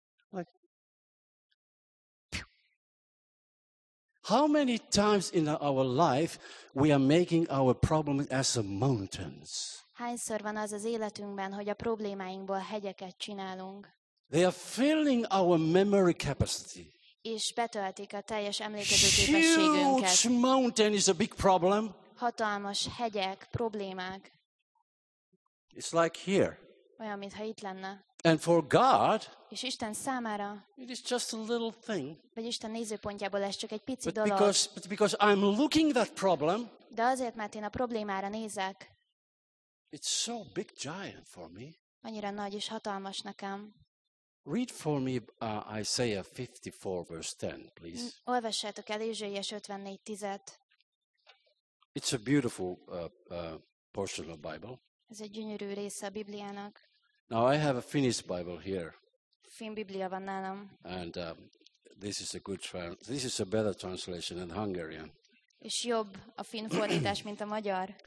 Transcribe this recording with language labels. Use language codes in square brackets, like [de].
[en] Like How many times in our life we are making our problems as a mountains? [hu] Hányszor van az az életünkben, hogy a problémáinkból hegyeket csinálunk? [en] They are filling our memory capacity. [hu] És betöltik a teljes emlékezőképességünket. [en] Huge mountain is a big problem. [hu] Hatalmas hegyek, problémák. [en] It's like here. [hu] Olyan, mintha itt lenne. [en] And for God, [hu] és Isten számára, [en] it is just a little thing. [hu] Vagy Isten nézőpontjából ez csak egy pici [en] but [hu] dolog. [en] Because I'm looking that problem, [hu] de azért, mert én a problémára nézek, [en] it's so big giant for me. [hu] Annyira nagy és hatalmas nekem. [en] Read for me Isaiah 54 verse 10, please. [hu] Olvassátok el Ézsaiás 54:10-et. [en] It's a beautiful portion of Bible. [hu] Ez egy gyönyörű része a Bibliának. [en] Now I have a Finnish Bible here. [hu] Finn Biblia van nálam. [en] And this is a good this is a better translation than Hungarian. [hu] És jobb a finn fordítás mint a magyar.